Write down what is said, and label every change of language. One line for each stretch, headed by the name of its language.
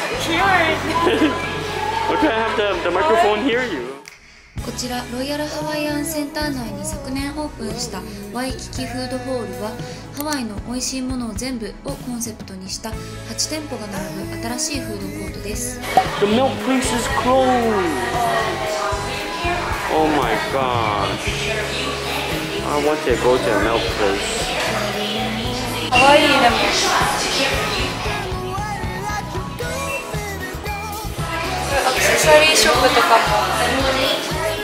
English: cute. Okay, I have the microphone hear you.
Japanese: こちらロイヤルハワイアンセンター内に昨年オープンしたワイキキフードホールはハワイの美味しいものを全部をコンセプトにした8店舗が並ぶ新しいフードコートです。
English: The milk place is closed. Oh my gosh. I want to go to the milk place.
Japanese: ハワイでも アクセサリーショップとかも